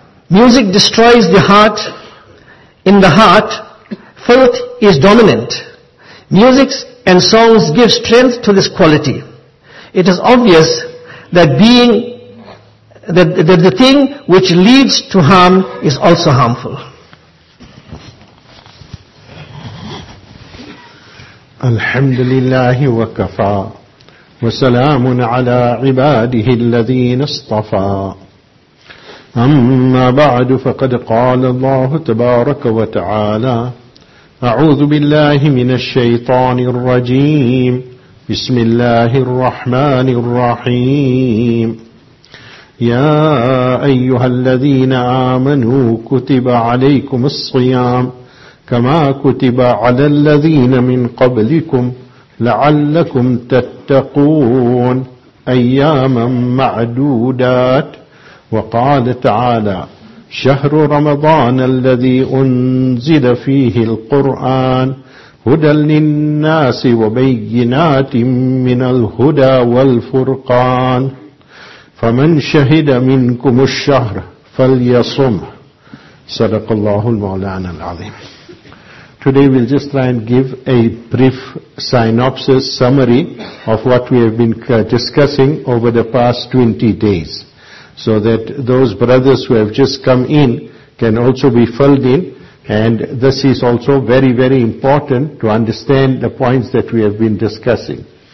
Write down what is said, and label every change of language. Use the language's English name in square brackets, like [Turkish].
[English] Music destroys the heart. In the heart, filth is dominant. Music and songs give strength to this quality. It is obvious that the thing which leads to harm is also harmful. [Arabic] الحمد لله وكفى وسلام على عباده الذين اصطفى أما بعد فقد قال الله تبارك وتعالى أعوذ بالله من الشيطان الرجيم بسم الله الرحمن الرحيم يا أيها الذين آمنوا كتب عليكم الصيام كما كتب على الذين من قبلكم لعلكم تتقون أياما معدودات وقال تعالى شهر رمضان الذي أنزل فيه القرآن هدى للناس وبينات من الهدى والفرقان فمن شهد منكم الشهر فليصم صدق الله المولانا العظيم. [English] Today we'll just try and give a brief synopsis, summary of what we have been discussing over the past 20 days. So that those brothers who have just come in can also be filled in. And this is also very, very important to understand the points that we have been discussing.